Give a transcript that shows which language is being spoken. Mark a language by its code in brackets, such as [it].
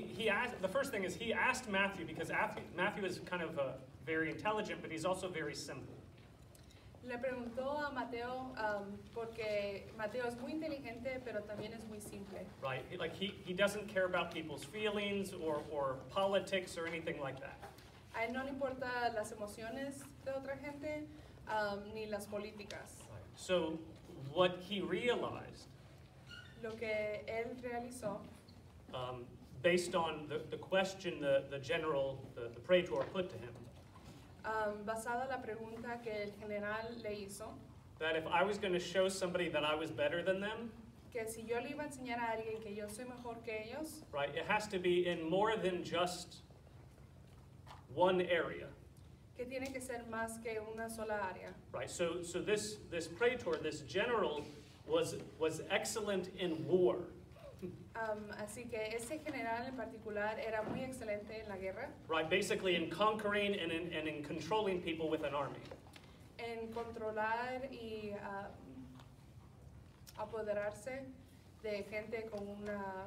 [en] So he asked Matthew, because Matthew is kind of very intelligent, but he's also very simple. [es] Le preguntó a Mateo porque Mateo es muy inteligente, pero también es muy simple. [en] Right, like he doesn't care about people's feelings or politics or anything like that. [es] A él no le importa las emociones de otra gente, ni las políticas. [en] Right. So, what he realized... [es] Lo que él realizó... [en] Based on the question the general, the praetor, put to him... [es] basada la pregunta que el general le hizo, [en] that if I was going to show somebody that I was better than them, [es] que si yo le iba a enseñar a alguien que yo soy mejor que ellos, [en] right, it has to be in more than just one area. [es] Que tiene que ser más que una sola área. [en] Right, so this praetor, this general, was excellent in war. [es] Así que ese general en particular era muy excelente en la guerra. [en] Right, basically in conquering and in controlling people with an army. [es] En controlar y apoderarse de gente con una...